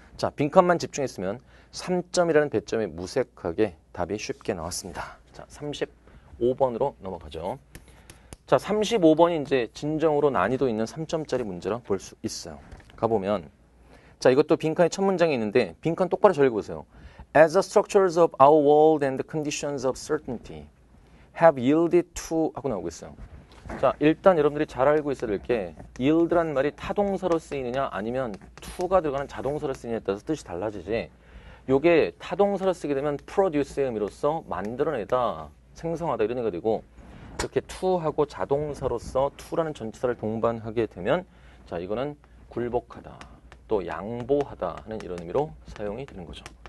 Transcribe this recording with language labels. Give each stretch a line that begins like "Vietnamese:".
Korean: 자, 빈칸만 집중했으면 3점이라는 배점에 무색하게 답이 쉽게 나왔습니다. 자, 35번으로 넘어가죠. 자, 35번이 이제 진정으로 난이도 있는 3점짜리 문제라 볼수 있어요. 가보면 자, 이것도 빈칸의 첫 문장이 있는데 빈칸 똑바로 잘 읽어보세요.
English: As the structures of our world and the conditions of certainty have yielded to
Korean: 하고 나오고 있어요. 자, 일단 여러분들이 잘 알고 있어야 될게 yield란 말이 타동사로 쓰이느냐 아니면 to가 들어가는 자동사로 쓰이느냐에 따라서 뜻이 달라지지. 요게 타동사로 쓰게 되면 produce의 의미로서 만들어내다, 생성하다 이런 얘기가 되고 이렇게 to하고 자동사로서 to라는 전치사를 동반하게 되면 자, 이거는 굴복하다, 또 양보하다 하는 이런 의미로 사용이 되는 거죠.